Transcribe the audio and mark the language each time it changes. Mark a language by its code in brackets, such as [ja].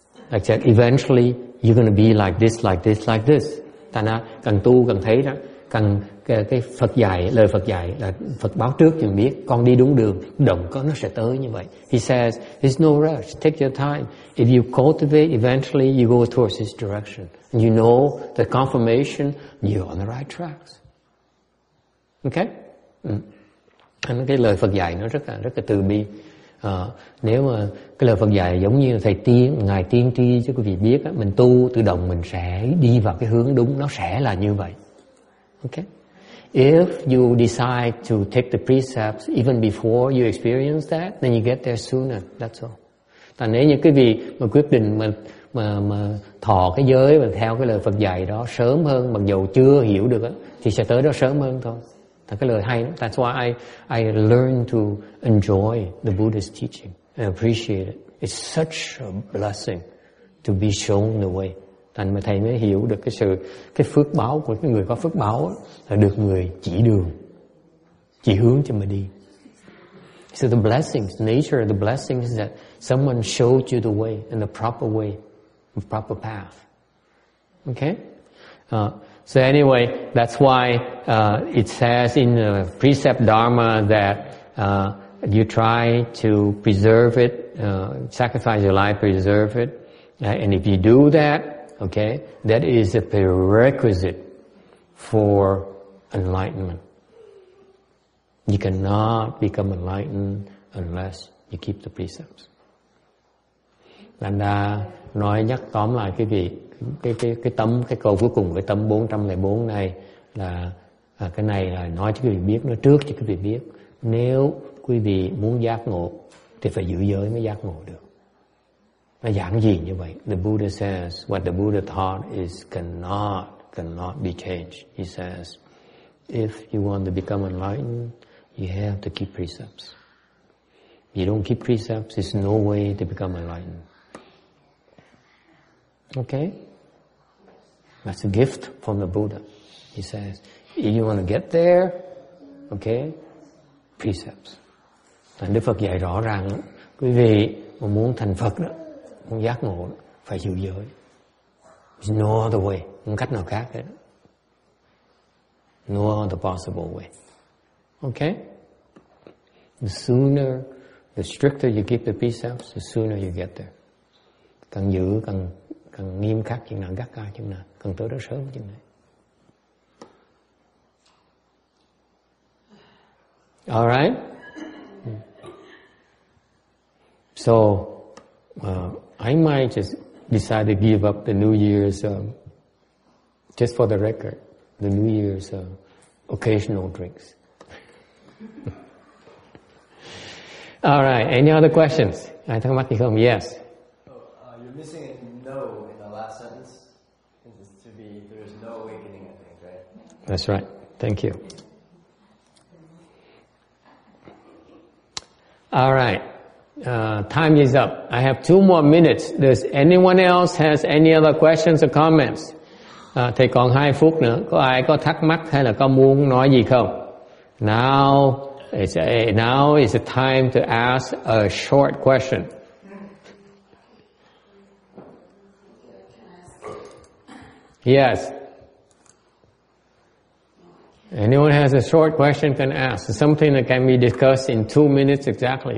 [en] Like that eventually you're going to be like this, like this, like this. [vi] Thành ra càng tu càng thấy đó, càng cái Phật dạy, lời Phật dạy là Phật báo trước cho mình biết con đi đúng đường, động có nó sẽ tới như vậy. [en] He says, there's no rush, take your time. If you cultivate, eventually you go towards this direction. And you know the confirmation, you're on the right tracks. Okay? Ừ. [vi] Cái lời Phật dạy nó rất là từ bi. Nếu mà cái lời Phật dạy giống như thầy tiên, ngài tiên tri cho quý vị biết á, mình tu tự động mình sẽ đi vào cái hướng đúng, nó sẽ là như vậy. [en] Okay? If you decide to take the precepts even before you experience that, then you get there sooner. That's all. [vi] Tại nếu như quý vị mà quyết định mà thọ cái giới và theo cái lời Phật dạy đó sớm hơn, mặc dù chưa hiểu được á, thì sẽ tới đó sớm hơn thôi. Thật cái lời hay. [en] That's why I learned to enjoy the Buddha's teaching and appreciate it. It's such a blessing to be shown the way. [vi] Thành mà thầy mới hiểu được cái phước báo của cái người có phước báo là được người chỉ đường, chỉ hướng cho mình đi. [en] So the blessings, nature of the blessings is that someone showed you the way and the proper way, the proper path. Okay? So anyway, that's why it says in the precept dharma that you try to preserve it, sacrifice your life, preserve it. And if you do that, okay, that is a prerequisite for enlightenment. You cannot become enlightened unless you keep the precepts. [vi] Thành ra nói nhắc tóm lại cái việc cái tâm, cái câu cuối cùng, cái tâm 404 này là cái này là nói cho quý vị biết, nói trước cho quý vị biết, nếu quý vị muốn giác ngộ thì phải giữ giới mới giác ngộ được. Nó giảng gì như vậy? [en] The Buddha says, what the Buddha taught is cannot be changed. He says, if you want to become enlightened, you have to keep precepts. You don't keep precepts, there's no way to become enlightened. Okay? That's a gift from the Buddha. He says, if you want to get there, okay, precepts. [vi] Thành Đức Phật dạy rõ ràng, quý vị mà muốn thành Phật đó, muốn giác ngộ đó, phải giữ giới. [en] There's no other way, [vi] không cách nào khác hết. [en] No other possible way. Okay? The sooner, the stricter you keep the precepts, the sooner you get there. [vi] Càng giữ, càng nghiêm khắc chừng nào, gắt gao chừng nào, càng tới đó sớm chừng nào. [en] All right? So, I might just decide to give up the New Year's, just for the record, the New Year's occasional drinks. All right, any other questions? I think about the home, yes. Oh, you're missing a no in the last sentence. It's to be, there's no awakening, I think, right? That's right, thank you. Alright, time is up. I have 2 more minutes. Does anyone else has any other questions or comments? [vi] Thầy còn 2 phút nữa. Có ai có thắc mắc hay là có muốn nói gì không? [en] Now is the time to ask a short question. Yes. Anyone has a short question can ask. Something that can be discussed in 2 minutes exactly.